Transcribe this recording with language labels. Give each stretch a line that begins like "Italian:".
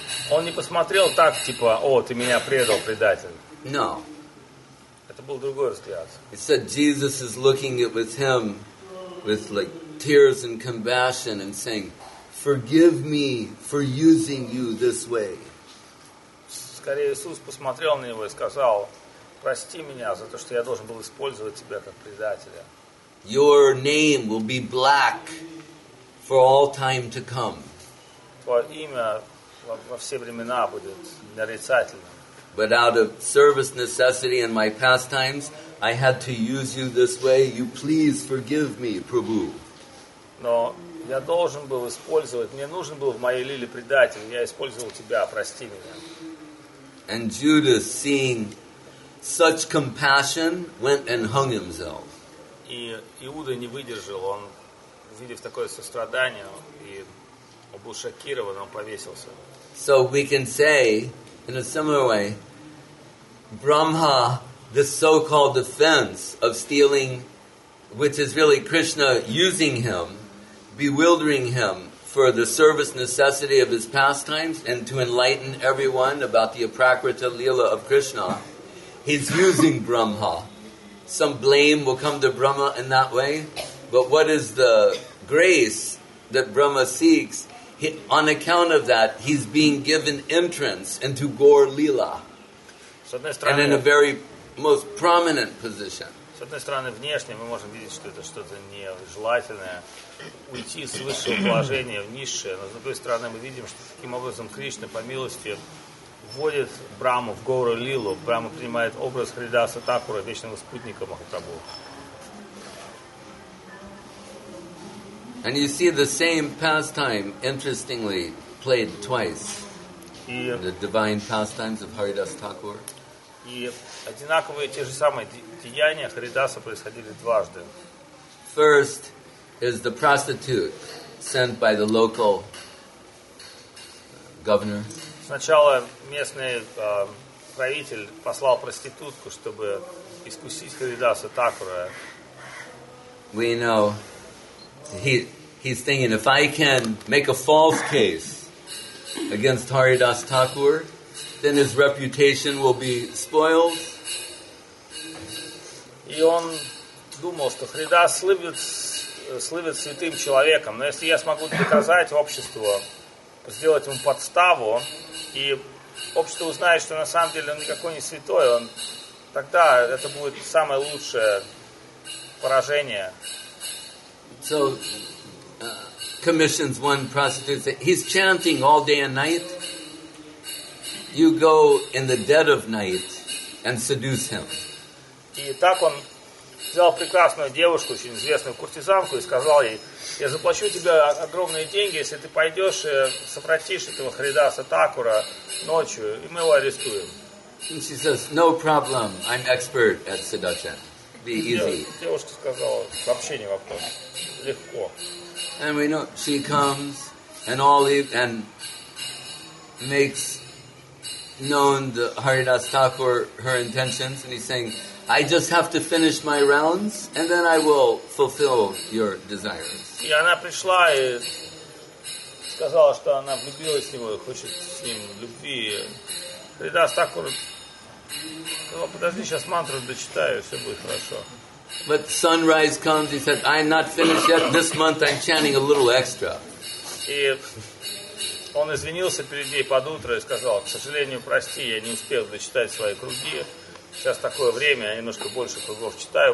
Russian: Он не посмотрел так, типа, о, ты меня предал, предатель.
English: No.
Russian: Это был другой взгляд.
English: He said, Jesus is looking at with him with like tears and compassion and saying, forgive me for using you this way.
Russian: Скорее, Иисус посмотрел на него и сказал, прости меня за то, что я должен был использовать тебя как предателя.
English: Your name will be black for all time to come.
Russian: Твое имя во все времена будет нарицательным.
English: But out of service necessity in my pastimes, I had to use you this way. You please forgive me, Prabhu.
Russian: Но я должен был использовать, мне нужен был в моей лиле предатель, я использовал тебя, прости меня.
English: And Judas, seeing such compassion, went and hung himself.
Russian: И Иуда не выдержал, он, увидев такое сострадание, и он был шокирован, он повесился.
English: So we can say, in a similar way, Brahma, the so-called offense of stealing, which is really Krishna using him, bewildering him for the service necessity of his pastimes and to enlighten everyone about the Aprakrita Lila of Krishna, he's using Brahma some blame will come to Brahma in that way. But what is the grace that Brahma seeks? He, on account of that, he's being given entrance into Gaur Lila. And in a very most prominent position.
Russian: С одной стороны, внешне мы можем видеть, что это что-то нежелательное, уйти с высшего положения в низшее. Но с другой стороны, мы видим, что таким образом Кришна, по милости, вводит Брахму в Гору Лилу. Брахма принимает образ Харидаса Такура, вечного спутника Махапрабху.
English: And you see the same pastime, interestingly, played twice. The divine pastimes of Haridas Thakur.
Russian: И одинаковые те же самые деяния Харидаса происходили дважды.
English: First is the prostitute sent by the local governor.
Russian: Сначала местный правитель послал проститутку, чтобы искусить Харидаса Такура.
English: We know he's thinking, if I can make a false case against Haridas Thakur, then his reputation will be spoiled.
Russian: И он думал, что Харидас славит святым человеком. Но если я смогу доказать обществу, сделать ему подставу, и общество узнает, что на самом деле он никакой не святой, он, тогда это будет самое лучшее поражение.
English: So, commissions one prostitute. He's chanting all day and night. You go in the dead of night and seduce him.
Russian: И так он взял прекрасную девушку, очень известную куртизанку, и сказал ей: я заплачу тебе огромные деньги, если ты пойдешь и сопротишь этого Харидаса Такура ночью, и мы его арестуем.
English: And she says, no problem. I'm expert at seduction. Be easy.
Russian: Девушка сказала: вообще не вопрос. Легко.
English: And we know she comes and all leave and makes known the Haridas Thakur her intentions, and he's saying, I just have to finish my rounds and then I will fulfill your desires.
Russian: И она пришла и сказала, что она влюбилась в него и хочет с ним любви. Харидас Такур сказал: подожди, сейчас мантру дочитаю, все будет хорошо.
English: But sunrise comes, he said, I'm not finished yet. This month I'm chanting a little extra.
Russian: И он извинился перед ней под утро и сказал: к сожалению, прости, я не успел дочитать свои круги. Сейчас такое время, я немножко больше кругов читаю.